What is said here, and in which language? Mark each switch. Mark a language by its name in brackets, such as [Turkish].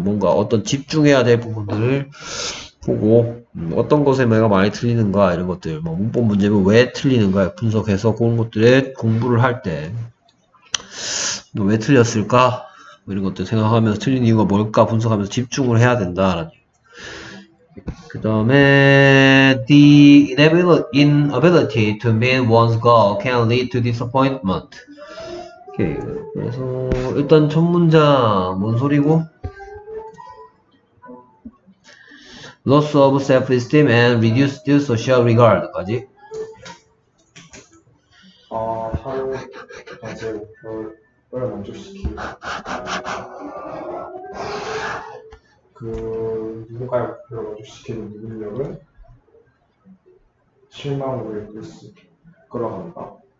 [Korean] 뭔가 어떤 집중해야 될 부분들을 보고 어떤 것에 내가 많이 틀리는가, 이런 것들 뭐 문법 문제면 왜 틀리는가 분석해서 그런 것들에 공부를 할 때 왜 틀렸을까 뭐 이런 것들 생각하면서 틀린 이유가 뭘까 분석하면서 집중을 해야 된다라는. 그 다음에 [English] the inability to meet one's goal can lead to disappointment. [Korean] 오케이. 그래서 일단 첫 문장 뭔 소리고? [English] Loss of self-esteem and reduced social regard [Korean] 까지? 아, 하루 이제 뭘 만족시키는 그 누군가의 목표를 만족시키는 능력을 실망으로 이끌 수 끌어간다.